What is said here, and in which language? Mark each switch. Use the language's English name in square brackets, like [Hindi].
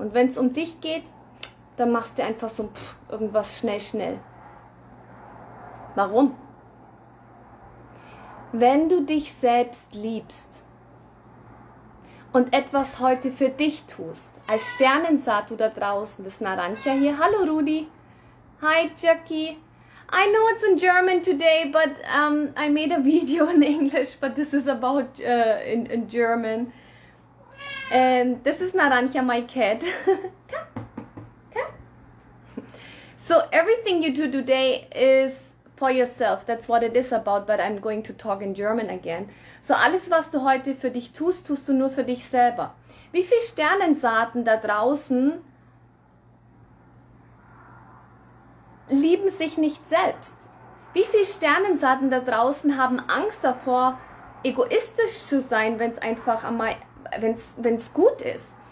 [German] Und wenn es um dich geht, dann machst du einfach so irgendwas schnell, schnell. Warum? Wenn du dich selbst liebst und etwas heute für dich tust, als Sternensaat du da draußen, das Narancia hier. Hallo Rudi. Hi Jackie. [English] I know it's in German today, but I made a video in English, but this is about in German. And this is Narancia, my cat. So everything you do today is for yourself. That's what it is about, but I'm going to talk in German again. [German] So alles, was du heute für dich tust, tust du nur für dich selber. Wie viele Sternensaaten da draußen lieben sich nicht selbst? Wie viele Sternensaaten da draußen haben Angst davor, egoistisch zu sein, wenn es einfach einmal, wenn's gut ist?